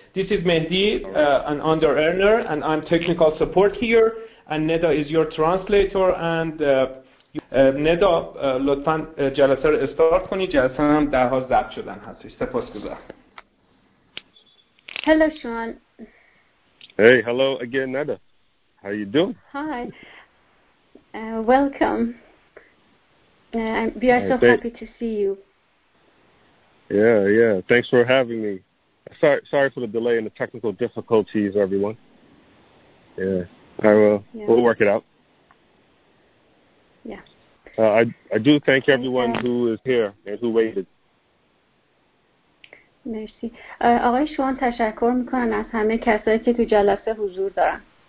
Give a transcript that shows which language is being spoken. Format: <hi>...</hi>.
<en>This is Mehdi, an under earner, and I'm technical support here. And Neda is your translator. And Neda, لطفاً جلسه رو start کنی.</en> <fa>جلسه هم در حال ضبط شدن هستش. سپاسگزارم.</fa> <en>Hello, Sean. Hey, hello again, Neda. How you doing? Hi. Welcome. We are so happy to see you. Yeah. Thanks for having me. Sorry for the delay and the technical difficulties, everyone. We'll work it out. Yeah. I do thank everyone who is here and who waited.</en> <fa>مرسی. آقای شوان تشکر میکنم از همه کسایی که تو جلسه حضور دارن.</fa>